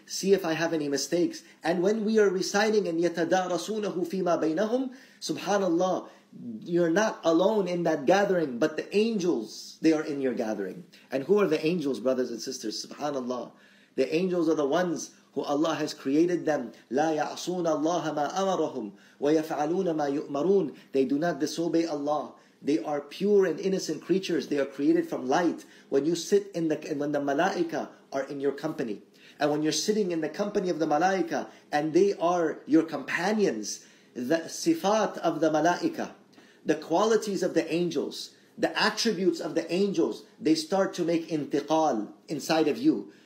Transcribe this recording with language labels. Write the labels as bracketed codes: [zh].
[en] See if I have any mistakes. And when we are reciting in [ar] yatadarasunahu fima baynahum, [en] subhanallah, you're not alone in that gathering, but the angels, they are in your gathering. And who are the angels, brothers and sisters? Subhanallah. The angels are the ones who Allah has created them. [ar] لا يعصون الله ما أمرهم ويفعلون ما يؤمرون. [en] They do not disobey Allah. They are pure and innocent creatures. They are created from light. When you sit in the, and when the malaika are in your company, and when you're sitting in the company of the malaika, and they are your companions, the sifat of the malaika, the qualities of the angels, the attributes of the angels, they start to make intiqal inside of you.